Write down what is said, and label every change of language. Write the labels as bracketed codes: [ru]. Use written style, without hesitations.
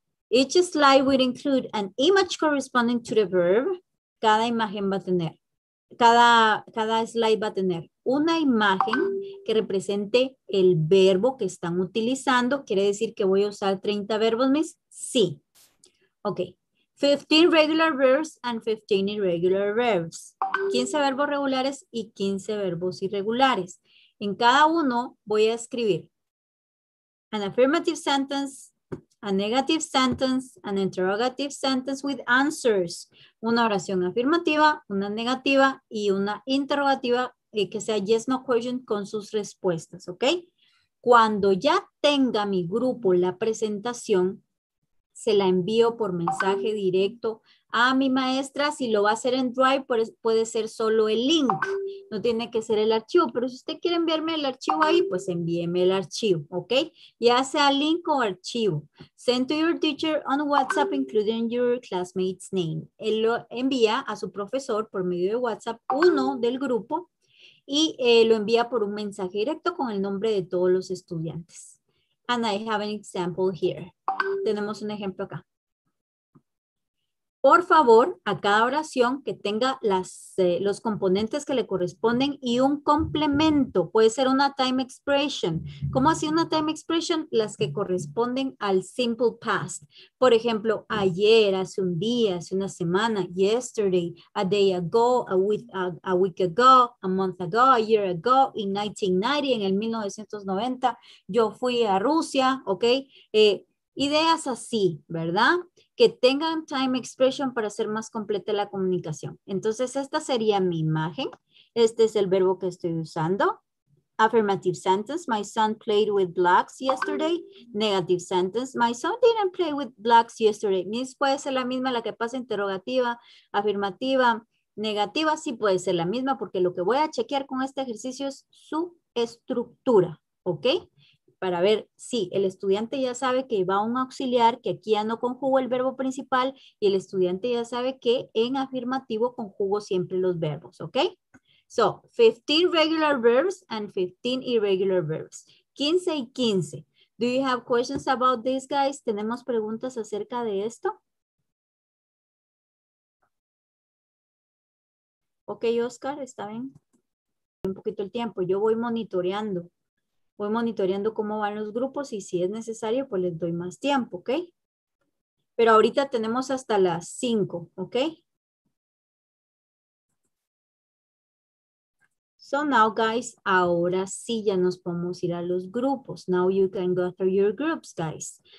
[en] Each slide will include an image corresponding to the verb. [es] Cada imagen va a tener, cada slide va a tener una imagen que represente el verbo que están utilizando. ¿Quiere decir que voy a usar 30 verbos, Miss? [en] Sí. Okay. 15 regular verbs and 15 irregular verbs. [es] 15 verbos regulares y 15 verbos irregulares. En cada uno voy a escribir [en] an affirmative sentence, a negative sentence, an interrogative sentence with answers. [es] Una oración afirmativa, una negativa y una interrogativa que sea [en] yes, no question [es] con sus respuestas, ¿ok? Cuando ya tenga mi grupo la presentación, se la envío por mensaje directo a mi maestra. Si lo va a hacer en Drive, puede ser solo el link. No tiene que ser el archivo. Pero si usted quiere enviarme el archivo ahí, pues envíeme el archivo, ¿ok? Ya sea link o archivo. [en] Send to your teacher on WhatsApp, including your classmate's name. [es] Él lo envía a su profesor por medio de WhatsApp, uno del grupo, y lo envía por un mensaje directo con el nombre de todos los estudiantes. [en] And I have an example here. [es] Tenemos un ejemplo acá. Por favor, a cada oración que tenga los componentes que le corresponden y un complemento. Puede ser una time expression. ¿Cómo así una time expression? Las que corresponden al simple past. Por ejemplo, ayer, hace un día, hace una semana, [en] yesterday, a day ago, a week ago, a month ago, a year ago, in 1990, [es] en el 1990, yo fui a Rusia, ¿ok? Ideas así, ¿verdad? Que tengan time expression para hacer más completa la comunicación. Entonces, esta sería mi imagen. Este es el verbo que estoy usando. [en] Affirmative sentence, my son played with blocks yesterday. Negative sentence, my son didn't play with blocks yesterday. [es] Miss, puede ser la misma la que pasa interrogativa, afirmativa, negativa. Sí puede ser la misma porque lo que voy a chequear con este ejercicio es su estructura, ¿ok? Para ver si el estudiante ya sabe que va a un auxiliar, que aquí ya no conjugo el verbo principal, y el estudiante ya sabe que en afirmativo conjugo siempre los verbos, ¿ok? [en] So, 15 regular verbs and 15 irregular verbs. [es] 15 y 15. [en] Do you have questions about this, guys? [es] ¿Tenemos preguntas acerca de esto? Ok, Oscar, está bien. Un poquito el tiempo, yo voy monitoreando. Voy monitoreando cómo van los grupos y si es necesario, pues les doy más tiempo, ¿ok? Pero ahorita tenemos hasta las 5, ¿ok? [en] So now, guys, [es] ahora sí ya nos podemos ir a los grupos. [en] Now you can go through your groups, guys.